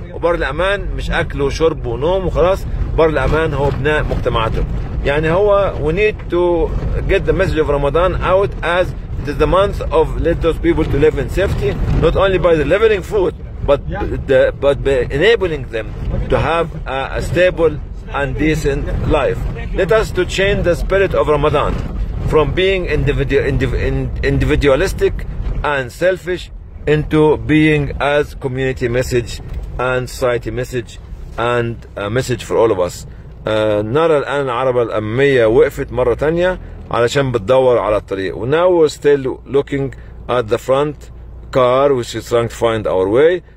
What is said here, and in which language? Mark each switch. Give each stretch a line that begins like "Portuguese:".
Arabic: وبر الأمان مش أكل وشرب ونوم وخلاص، بر الأمان هو بناء مجتمعاتهم. يعني هو
English: we need to get the message of Ramadan out as it is the month of let those people to live in safety, not only by delivering food but by enabling them to have a stable and decent life. Let us to change the spirit of Ramadan from being individualistic and selfish into being as community message and society message and a message for all of us.
Arabic: نرى الآن العربة الأمية وقفت مرة تانية علشان بتدور على الطريق.
English: Now we're still looking at the front car which is trying to find our way.